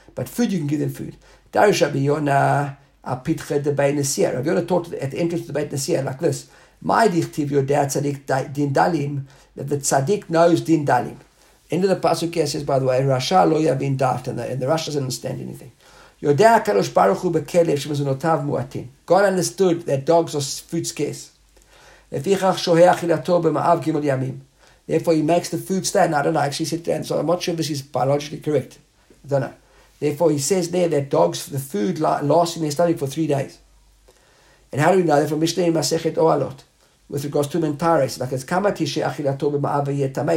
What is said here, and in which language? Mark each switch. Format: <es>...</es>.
<en>But food, you can give them food.</en> <arc>Darish Rabbi Yonah, apitcha de Beit Nesia.</arc> <en>Rabbi Yonah taught at the entrance of the Beit Nesia like this.</en> <he>My dichtiv yodea tzadik din dalim,</he> <en>that the tzadik knows din dalim. End of the pasuk here says, by the way,</en> <he>Rasha lo yavin daft,</he> <en>and the Rasha doesn't understand anything.</en> <he>יודע הקדוש ברוך הוא בכלב שמזונותיו מועטים.</he> <en>God understood that dogs are food scarce.</en> <he>לפיכך שוהה אכילתו במאב ג' ימים.</he> <en>Therefore he makes the food stand out of life. She said, so I'm not sure if this is biologically correct. I don't know. Therefore he says there that dogs, the food lasts in their stomach for 3 days. And how do we know that from Mishnah in Masechet Ohalot? With regards to mentares, like it's</en> <he>kamati she'achilato b'ma'av yetame.</he>